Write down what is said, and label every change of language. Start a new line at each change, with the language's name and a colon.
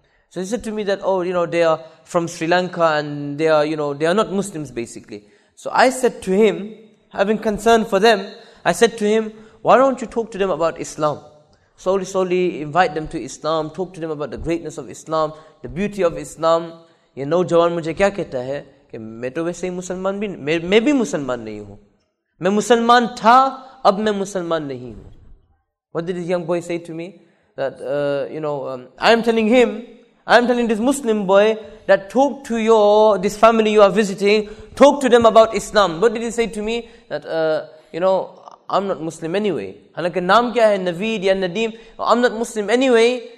English: So he said to me that, oh, you know, they are from Sri Lanka and they are, you know, they are not Muslims basically. So I said to him, having concern for them, I said to him, why don't you talk to them about Islam? Slowly, slowly invite them to Islam, talk to them about the greatness of Islam, the beauty of Islam.
Urdu: یہ نوجوان مجھے کیا کہتا ہے کہ میں تو ویسے ہی مسلمان بھی میں بھی مسلمان نہیں ہوں, میں مسلمان تھا, اب میں مسلمان نہیں ہوں.
English: What did this young boy say to me? That I am telling this Muslim boy that talk to this family you are visiting, talk to them about Islam. What did he say to me? That I'm not Muslim anyway.
Urdu: حالانکہ نام کیا ہے, نوید یا Nadeem,
English: I'm not Muslim anyway.